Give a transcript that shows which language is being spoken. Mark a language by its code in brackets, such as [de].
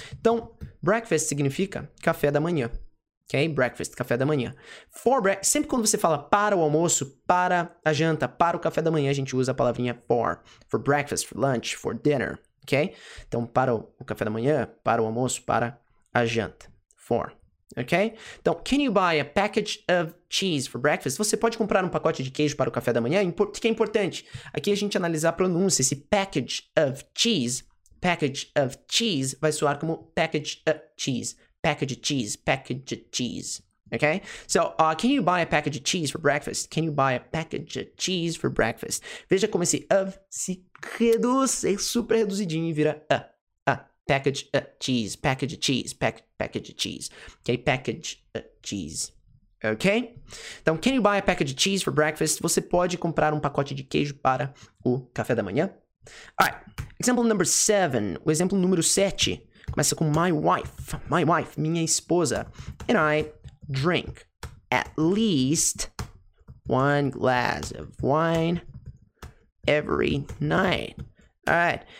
[pt] Então, breakfast significa café da manhã. Ok? Breakfast, café da manhã. For breakfast, sempre quando você fala para o almoço, para a janta, para o café da manhã, a gente usa a palavrinha for. [en] For breakfast, for lunch, for dinner. [pt] Ok? Então, para o café da manhã, para o almoço, para a janta. [en] For. Ok? Então, can you buy a package of cheese for breakfast? [pt] Você pode comprar um pacote de queijo para o café da manhã? O que é importante? Aqui a gente analisar a pronúncia. Esse package of cheese, package of cheese, vai soar como package of cheese. [en] Package of cheese, package of cheese. Ok? So, can you buy a package of cheese for breakfast? Can you buy a package of cheese for breakfast? [pt] Veja como esse of se reduz, é super reduzidinho e vira a. [en] Package of cheese, package of cheese, package of cheese. Ok? Package of cheese. Ok? Então, can you buy a package of cheese for breakfast? [pt] Você pode comprar um pacote de queijo para o café da manhã? Alright. [en] Example number 7. [pt] O exemplo número 7 começa com [en] my wife, [pt] minha esposa. [en] And I drink at least one glass of wine every night. Alright.